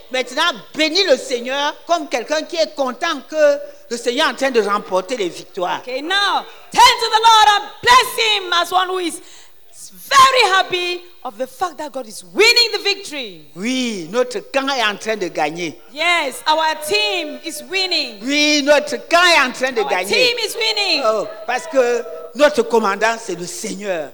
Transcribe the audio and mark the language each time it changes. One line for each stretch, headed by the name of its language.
French: Maintenant, bénis le Seigneur comme quelqu'un qui est content que le Seigneur est en train de remporter les victoires.
English: Okay, now, turn to the Lord and bless him as one who is very happy of the fact that God is winning the victory.
French: Oui, notre camp est en train de gagner.
English: Yes, our team is winning.
French: Oui, notre camp est en train de gagner.
English: Our team is winning.
French: Oh, parce que notre commandant, c'est le Seigneur.